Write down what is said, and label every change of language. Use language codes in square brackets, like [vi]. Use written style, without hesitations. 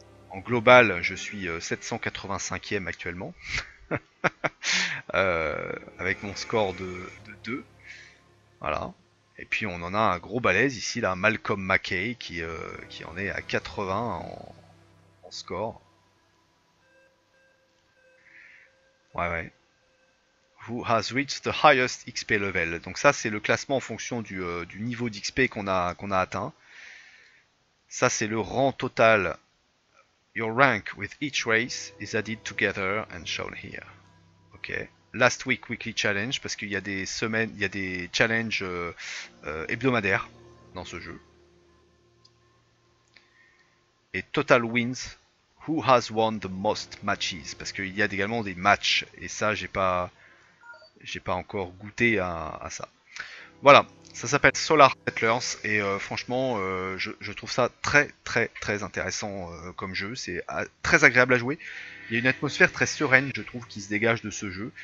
[fr] En global, je suis 785e actuellement. avec mon score de 2. Voilà. Et puis, on en a un gros balèze ici, là, Malcolm McKay, qui en est à 80 en score. Ouais. [en] Who has reached the highest XP level? [fr] Donc ça, c'est le classement en fonction du niveau d'XP qu'on a atteint. Ça, c'est le rang total. [en] Your rank with each race is added together and shown here. [fr] Ok. [en] Last week weekly challenge, [fr] parce qu'il y a des semaines, il y a des challenges hebdomadaires dans ce jeu. [en] Et total wins. Who has won the most matches? [fr] Parce qu'il y a également des matchs. Et ça, j'ai pas encore goûté à ça. Voilà, ça s'appelle Solar Settlers. Et franchement, je trouve ça très très très intéressant comme jeu. C'est très agréable à jouer. Il y a une atmosphère très sereine, je trouve, qui se dégage de ce jeu.